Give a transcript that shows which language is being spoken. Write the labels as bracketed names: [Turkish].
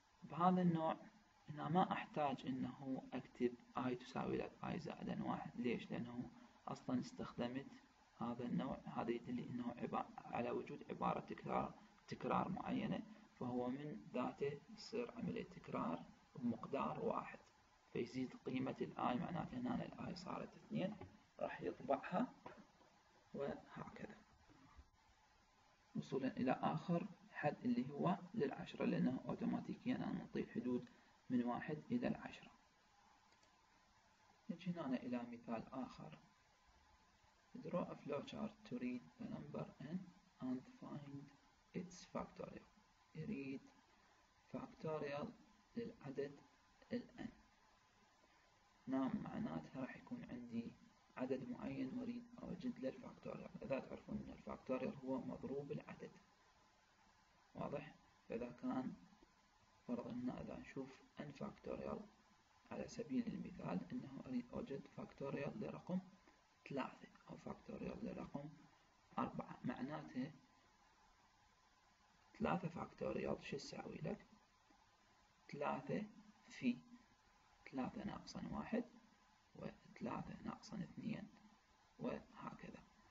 [Arabic] بهذا النوع هنا ما أحتاج إنه أكتب i تساوي لك i زائد 1، ليش؟ لأنه أصلا استخدمت هذا النوع، هذا يدل إنه على وجود عبارة تكرار معينة، فهو من ذاته يصير عملية تكرار بمقدار واحد، فيزيد قيمة الآي، معناته هنا الآي صارت 2، راح يطبعها وهكذا وصولا إلى آخر حد اللي هو للعشرة، لأنه أوتوماتيكيا أنا نعطي الحدود من 1 إلى 10. نجي هنا إلى مثال آخر. [English] Draw a flowchart to read the number n and find its factorial. [Arabic] يريد factorial للعدد ال n. نعم، معناتها راح يكون عندي عدد معين واريد اوجد له الفاكتوريال. اذا تعرفون ان الفاكتوريال هو مضروب العدد، واضح؟ اذا كان فرض ان اذا نشوف n فاكتوريال على سبيل المثال، انه اريد اوجد فاكتوريال لرقم 3 او فاكتوريال لرقم 4، معناته 3 فاكتوريال شو تساوي لك؟ 3 في 3 ناقصا 1 و 3 ناقصا 2 وهكذا.